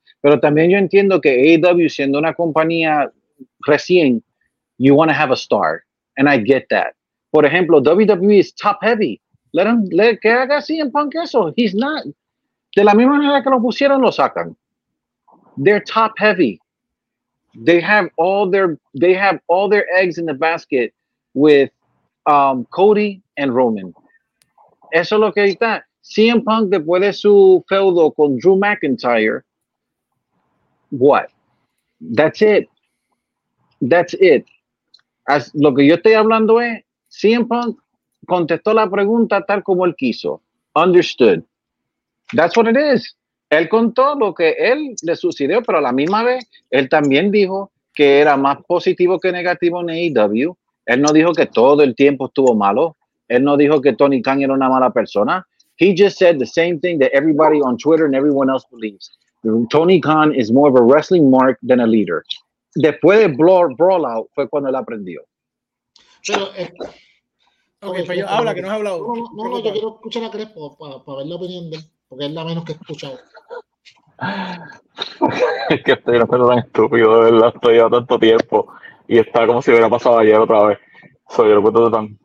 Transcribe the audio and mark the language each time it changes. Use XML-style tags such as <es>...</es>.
<es>Pero también yo entiendo que AEW, siendo una compañía recién,</es> <en>you want to have a star. And I get that.</en> <es>Por ejemplo,</es> <en>WWE is top heavy. Let him, let,</en> <es>que haga CM Punk eso.</es> <en>He's not.</en> <es>De la misma manera que lo pusieron, lo sacan.</es> <en>They're top heavy. They have all their eggs in the basket with Cody and Roman.</en> <es>Eso es lo que está.</es> <en>CM Punk</en> <es>después de su feudo con</es> <en>Drew McIntyre. What? That's it. That's it.</en> <es>As lo que yo estoy hablando es, CM Punk contestó la pregunta tal como él quiso.</es> <en>Understood. That's what it is.</en> <es>Él contó lo que él le sucedió, pero a la misma vez, él también dijo que era más positivo que negativo en AEW. Él no dijo que todo el tiempo estuvo malo. Él no dijo que Tony Khan era una mala persona.</es> <en>He just said the same thing that everybody on Twitter and everyone else believes. Tony Khan is more of a wrestling mark than a leader.</en> <es>Después de Brawl Out fue cuando él aprendió. Pero, okay, pero yo habla, que no has hablado. No, yo quiero escuchar a Crespo para ver la opinión de él, porque es la menos que he escuchado. Es que estoy haciendo tan estúpido, de verdad, estoy ya tanto tiempo y está como si hubiera pasado ayer otra vez. Soy el puto de tan.</es>